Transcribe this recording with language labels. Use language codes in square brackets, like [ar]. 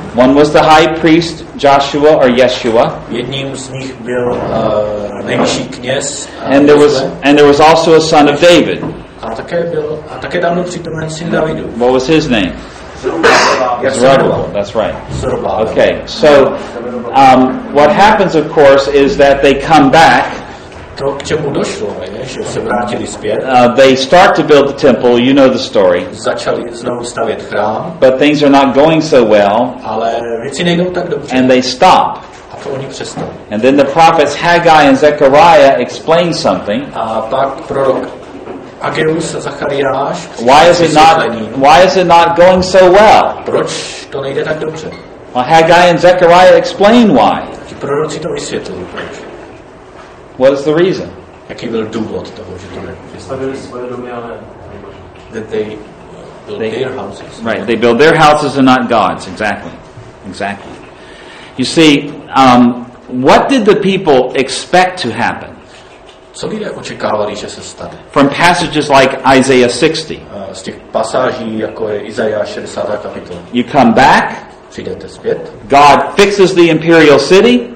[en] One was the high priest Joshua or Yeshua. [cs] Jedním z nich byl nejvyšší kněz. [en] And there was also a son of David. [cs] A také tam byl přítomen syn Davidu. [en] What was his name? Zerubbabel. That's right. Zerubbabel. Okay. So what happens, of course, is that they come back. [cs] To, k čemu došlo, je, že se vrátili zpět. [en] They start to build the temple, you know the story. [cs] Začali znovu stavět chrám. [en] But things are not going so well. [cs] Ale věci nejdou tak dobře. [en] And they stop. [cs] A to oni přestali. [en] And then the prophets Haggai and Zechariah explain something. [cs] A pak prorok Ageus a Zachariáš. [en] Why is it not going so well? [cs] Proč to nejde tak dobře? [en] Well, Haggai and Zechariah explain why. [cs] Ti proroci to vysvětlují, proč. [en] What is the reason? [cs] Jaký byl důvod toho, že to nevystavili svoje domy, ale [en] that they build their houses. Right, they build their houses and not God's. Exactly. Exactly. You see, what did the people expect to happen? [cs] Co lidé očekávali, že se stane? [en] From passages like Isaiah 60. [cs] Z těch pasáží, jako je Izajáš 60. kapitola. [en] You come back. God fixes the imperial city.